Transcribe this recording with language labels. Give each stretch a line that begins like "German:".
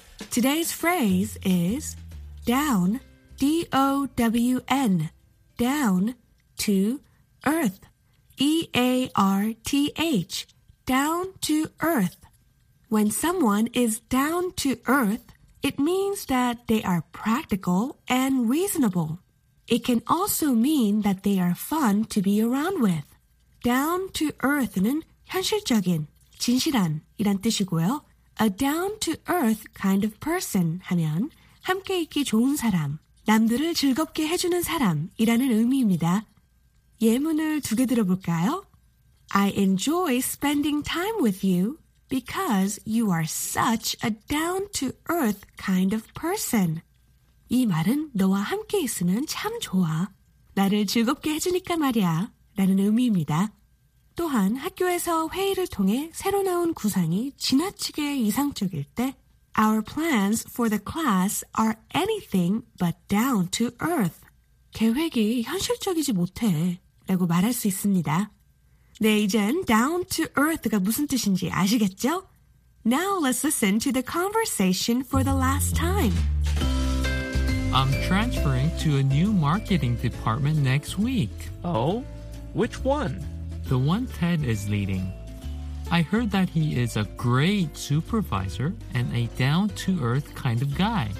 English: Today's phrase is down, D-O-W-N, down-to-earth, E-A-R-T-H, down-to-earth. When someone is down to earth, it means that they are practical and reasonable. It can also mean that they are fun to be around with.
Korean: Down to earth는 현실적인, 진실한 이란 뜻이고요.
English: A down to earth kind of person
Korean: 하면 함께 있기 좋은 사람, 남들을 즐겁게 해주는 사람이라는 의미입니다. 예문을 두 개 들어볼까요?
English: I enjoy spending time with you. Because you are such a down-to-earth kind of person.
Korean: 이 말은 너와 함께 있으면 참 좋아. 나를 즐겁게 해주니까 말이야. 라는 의미입니다. 또한 학교에서 회의를 통해 새로 나온 구상이 지나치게 이상적일 때
English: Our plans for the class are anything but down-to-earth.
Korean: 계획이 현실적이지 못해. 라고 말할 수 있습니다. 네, 이젠 down to earth가 무슨 뜻인지 아시겠죠?
English: Now let's listen to the conversation for the last time. I'm transferring to a new marketing department next week. Oh? Which one? The one Ted is leading. I heard that he is a great supervisor and a down to earth kind of guy.